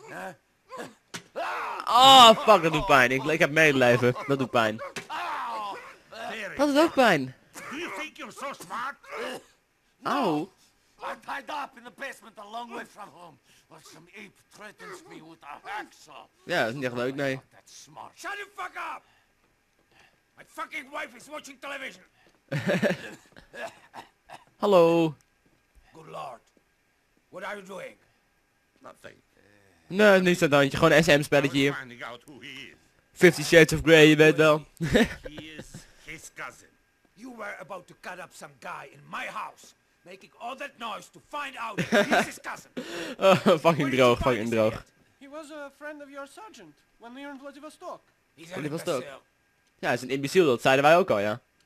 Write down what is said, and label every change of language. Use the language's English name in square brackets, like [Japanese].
[Dutch] huh? Oh, fuck, dat doet pijn. Ik heb medelijven. Dat doet pijn. Dat doet ook pijn. [English] Do you think you're so smart? Au. I'm tied up in the basement a long way from home. But some ape threatens me with a hacksaw. Yeah, it's not good, no. Shut the fuck up! My fucking wife is watching television! Hello! Good lord. What are you doing? Nothing. [Dutch] No, niet zo'n tandje. Gewoon een SM-spelletje hier. [English] Finding out who he is. [Dutch] 50 Shades of Grey, je weet wel. [English] He is his cousin. You were about to cut up some guy in my house. Making all that noise to find out who's his cousin. [Dutch] Oh, fucking droog, fucking droog. [English] He was a friend of your sergeant when we were in Vladivostok. He's in Vladivostok. [Dutch] Ja, hij is een imbecil, dat zeiden wij ook al, ja.